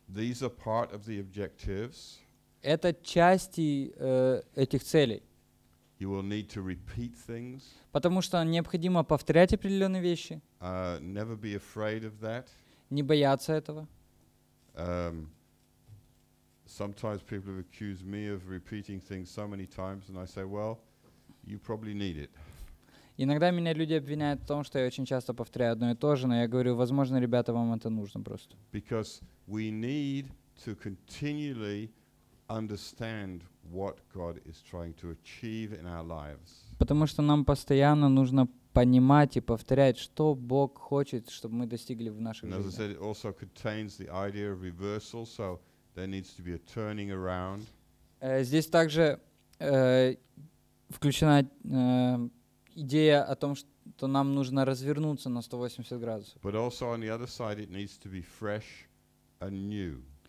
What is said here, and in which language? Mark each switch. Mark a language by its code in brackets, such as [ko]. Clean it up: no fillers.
[en] These are part of the objectives. [ru] Это части этих целей. [en] You will need to repeat things. [ru] Потому что необходимо повторять определенные вещи. [en] Never be afraid of that. [ru] Не бояться этого. [en] Sometimes people have accused me of repeating things so many times, and I say, well, you probably need it. [ru] Иногда меня люди обвиняют в том, что я очень часто повторяю одно и то же, но я говорю, возможно, ребята, вам это нужно просто. [en] Because we need to continually understand what God is trying to achieve in our lives. [ru] Потому что нам постоянно нужно понимать и повторять, что Бог хочет, чтобы мы достигли в нашей жизни. [en] As I said, it also contains the idea of reversal, so there needs to be a turning around. [ru] Здесь также включена идея о том, что то нам нужно развернуться на 180 градусов. [en] But also on the other side it needs to be fresh and new.